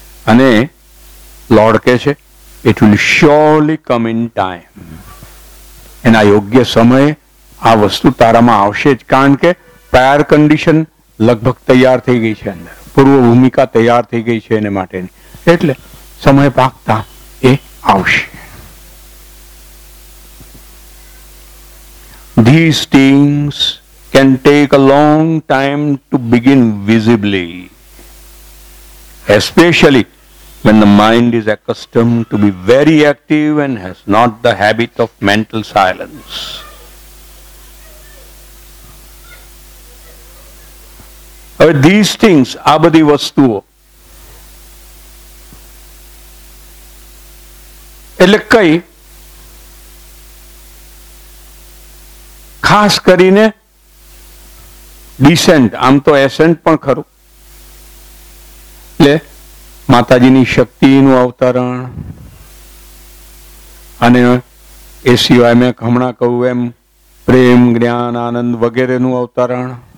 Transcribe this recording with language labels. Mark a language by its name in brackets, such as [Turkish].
[Gujarati] અને લોર્ડ કહે છે [English] it will surely come in time, [Gujarati] એના યોગ્ય સમયે આ વસ્તુ તારામાં આવશે જ, કારણ કે [English] prior condition [Gujarati] લગભગ તૈયાર થઈ ગઈ છે, અંદર પૂર્વ ભૂમિકા તૈયાર થઈ ગઈ છે એને માટેની, એટલે સમય પાકતા એ આવશે. [English] These things can take a long time to begin visibly, especially when the mind is accustomed to be very active and has not the habit of mental silence. [Gujarati] હવે [English] these things, [Gujarati] આ બધી વસ્તુઓ એટલે કઈ? ખાસ કરીને ડિસેન્ટ, આમ તો એસેન્ટ પણ ખરું, એટલે માતાજીની શક્તિનું અવતરણ અને એ સિવાય મેં હમણાં કહું એમ પ્રેમ જ્ઞાન આનંદ વગેરેનું અવતરણ